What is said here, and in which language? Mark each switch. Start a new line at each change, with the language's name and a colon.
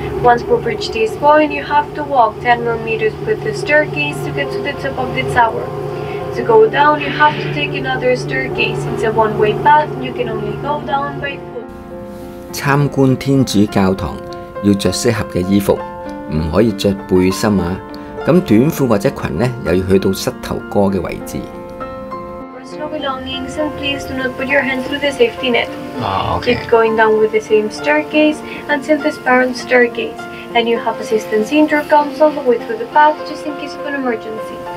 English: Once we reach this point, you have to walk 10 more meters with the staircase to get to the top of the tower. To go down, you have to take another staircase. It's a one-way path, and you can only go down by foot.
Cantonese: 参观天主教堂要着适合的衣服，不可以着背心啊。咁短裤或者裙呢，又要去到膝头哥的位置。
English: Personal belongings, and please do not put your hand through the safety net. Okay. Keep going down with the same staircase until the spiral staircase, and you have assistance intercoms all the way through the path just in case of an emergency.